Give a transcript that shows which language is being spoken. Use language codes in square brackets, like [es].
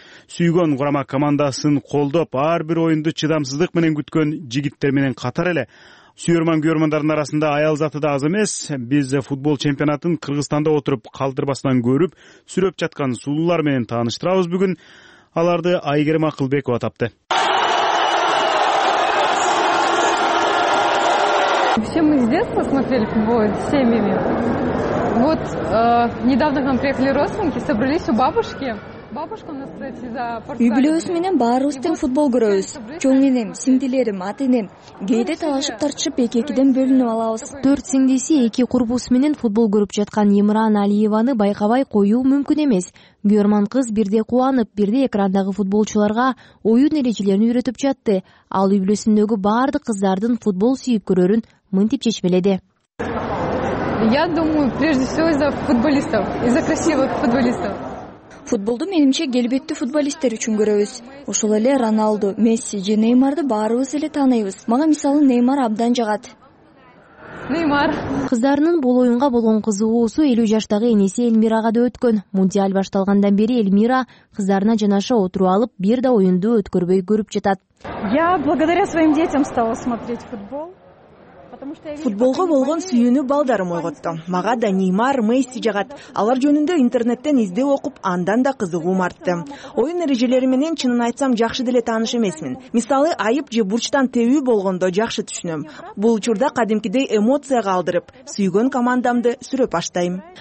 [ky] сүйгөн курама командасын колдоп, ар бир оюнду чыдамсыздык менен күткөн жигиттер менен катар эле сүйөрман көрөрмандардын арасында аял заты да аз эмес. Биз футбол чемпионатын Кыргызстанда отуруп калтырбастан көрүп, сүрөп жаткан сулуулар менен тааныштырабыз бүгүн. Аларды Айгерим Акылбекова тапты. [ru] Все мы с детства смотрели футбол с семьями. Вот недавно к нам приехали родственники, собрались у бабушки. [ky] Үй-бүлөбүз менен баарыбыз тең футбол көрөбүз. Чоң энем, сиңдилерим, ата энем кээде талашып тартышып 2-2 бөлүнүп алабыз. 4 сиңдиси, 2 курбусу менен футбол көрүп жаткан Имран Алиеваны байкабай коюу мүмкүн эмес. Гөрман кыз бирде кубанып, бирде экрандагы футболчуларга оюн эрежелерин үйрөтүп жатты. Ал үй-бүлөсүндөгү баардык кыздардын футбол сүйүп көрөрүн мынтип чечмеледи. [ru] Я думаю, прежде всего из-за футболистов, из-за красивых футболистов. [ky] Футболду менимче келбеттүү футболисттер үчүн көрөбүз. Ошол эле Роналду, Месси же Неймарды баарыбыз эле тааныйбыз. Мага мисалы Неймар абдан жагат. Неймар. Кыздарынын бул оюнга болгон кызыгуусу 50 жаштагы энеси Эльмирага да өткөн. Мундиаль башталгандан бери Эльмира кыздарына жанаша отуруп алып, бир да оюнду өткөрбөй көрүп жатат. [ru] Я благодаря своим детям стала смотреть футбол. [ky] Футболго болгон сүйүүнү балдарым ойготту. Мага да Неймар, Месси жагат. Алар жөнүндө интернеттен издеп окуп, андан да кызыгуум артты. Оюн эрежелери менен чынын айтсам, жакшы деле тааныш эмесмин. Мисалы, айып же бурчтан тебүү болгондо жакшы түшүнөм. Бул учурда кадимкидей эмоцияга алдырып, сүйгөн командамды сүрөп аштайм.